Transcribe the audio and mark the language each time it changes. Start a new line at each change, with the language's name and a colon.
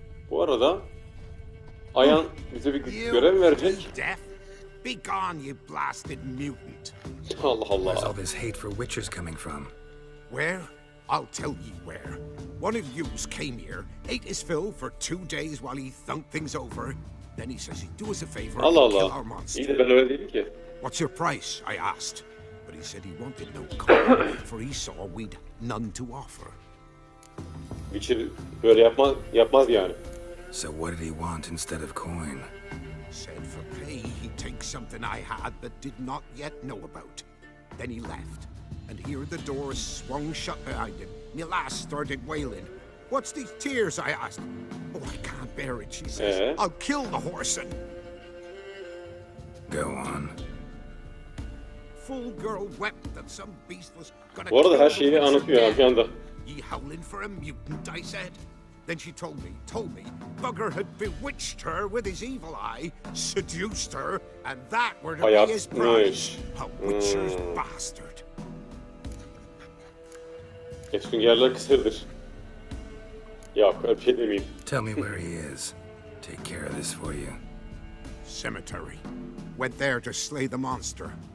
Turkish: Bu arada Ayan bize bir görev verecek.
English: Be gone, you blasted mutant.
Turkish: Allah Allah.
English: Where's all this hate for witchers coming from? Where? I'll tell you where. One of yous came here, ate his fill for 2 days while he thunk things over. Then he says he'd do us a favor and kill our monster.
Turkish: Allah Allah. İyi de ben öyle dedim ki.
English: What's your price? I asked. But he said he wanted no cost, for he saw we'd none to offer.
Turkish: Witcher böyle yapmaz yani.
English: So what did he want instead of coin? Said for pay he'd take something I had but did not yet know about. Then he left, and here the door swung shut behind him. My lass started wailing. What's these tears? I asked. Oh, I can't bear it, she says. I'll kill the horse and... Go on. Fool girl wept that some beast was gonna kill her.
Turkish: Bu arada her şeyi anlatıyor, bir anda.
English: Ye howling for a mutant, I said. Then she told me, Bugger had bewitched her with his evil eye, seduced her, and that were to be his prize. A witcher's bastard.
Turkish: Keskin yerler kısırdır. Yok, öyle bir şey demeyeyim.
English: Tell me where he is. Take care of this for you. Cemetery. Went there to slay the monster.